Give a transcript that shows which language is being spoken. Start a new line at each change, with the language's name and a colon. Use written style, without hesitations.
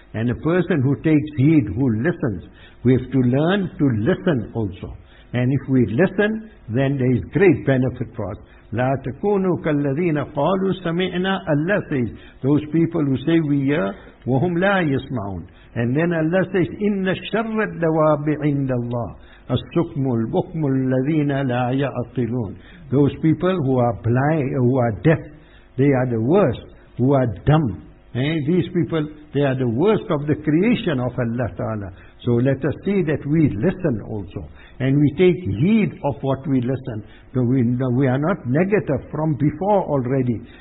English: And a person who takes heed, who listens, we have to learn to listen also. And if we listen, then there is great benefit for us.
Arabic: لَا تَكُونُوا كَالَّذِينَ قَالُوا سَمِعْنَا.
English: Allah says, those people who say we hear,
Arabic: وَهُمْ لَا يَسْمَعُونَ.
English: And then Allah says,
Arabic: إِنَّ الشَّرَّ الدَّوَابِ عِنْدَ اللَّهِ السُّكْمُ الْبُكْمُ الَّذِينَ لَا يَعْقِلُونَ.
English: Those people who are blind, who are deaf, they are the worst, who are dumb. These people, they are the worst of the creation of Allah Ta'ala. So let us see that we listen also. And we take heed of what we listen. So we are not negative from before already.